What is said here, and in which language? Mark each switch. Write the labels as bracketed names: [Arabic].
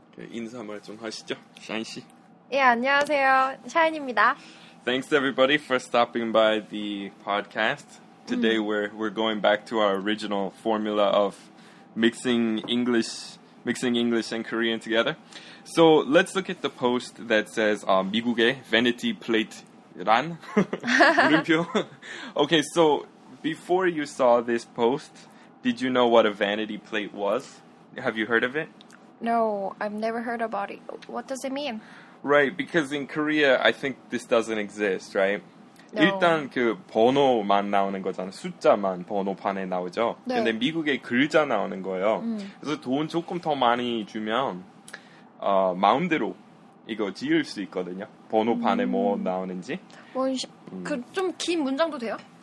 [Korean] 인사 말 좀 하시죠, 샤인 씨. 예, 안녕하세요, 샤인입니다. [English] Thanks everybody for stopping by the podcast. Today we're going back to our original formula of mixing English and Korean together. So let's look at the post that says [Korean] 미국의 vanity plate 란 물음표. [English] Okay, so before you saw this post, did you know what a vanity plate was? Have you heard of it? No, I've never heard about it. What does it mean? Right, because in Korea, I think this doesn't exist, right? No. [Korean] 일단 그 번호만 나오는 거잖아. 숫자만 번호판에 나오죠. 네. 근데 미국에 글자 나오는 거예요. 그래서 돈 조금 더 많이 주면 마음대로 이거 지을 수 있거든요. 번호판에 뭐 나오는지. 그 좀 긴 문장도 돼요?